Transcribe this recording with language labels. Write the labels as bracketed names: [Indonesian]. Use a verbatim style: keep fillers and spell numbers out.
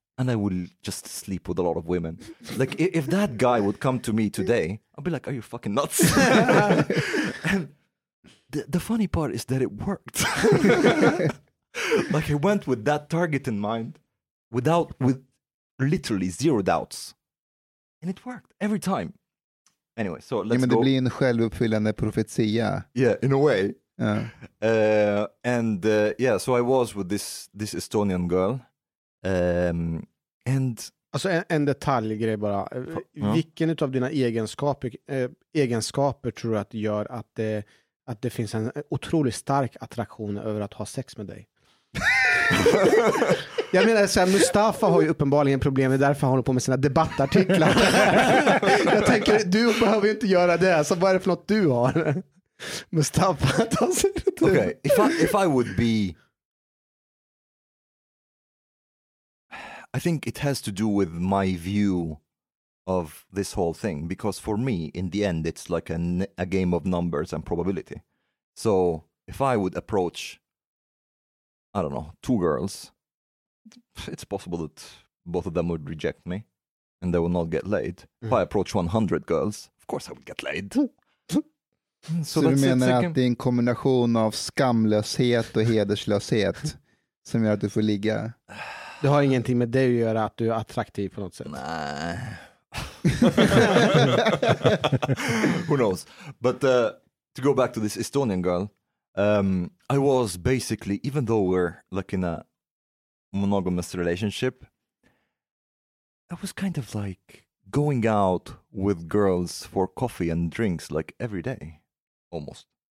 [English] And I will just sleep with a lot of women. Like, if that guy would come to me today, I'd be like, are you fucking nuts? And the, the funny part is that it worked. Like, I went with that target in mind, without, with literally zero doubts. And it worked every time. Anyway, so let's [Swedish] ja, men [English] go. [Swedish] Det blir en självuppfyllande profetia. [English] Yeah, in a way. Yeah. Uh, and, uh, yeah, so I was with this this Estonian girl. Um, and... [Swedish] Alltså en, en detaljgrej bara. Ja. Vilken av dina egenskaper, eh, egenskaper tror du att gör att, eh, att det finns en otroligt stark attraktion över att ha sex med dig? Jag menar så här, Mustafa har ju uppenbarligen problem, det är därför han håller på med sina debattartiklar. Jag tänker, du behöver ju inte göra det, så vad är det för något du har? Mustafa tar sig [English] det. Okay, if I, if I would be... I think it has to do with my view of this whole thing, because for me, in the end, it's like a, a game of numbers and probability. So if I would approach, I don't know, two girls, it's possible that both of them would reject me and they will not get laid. Mm. If I approach one hundred girls, of course I would get laid. [Swedish] So, so du menar it, att can... det är en kombination av skamlöshet och hederslöshet som gör att du får ligga... Det har ingenting med dig att göra att du är attraktiv på något sätt. Nej. [English] Who knows? But uh, to go back to this Estonian girl, um, I was basically, even though we're like in a monogamous relationship, I was kind of like going out with girls for coffee and drinks like every day, almost.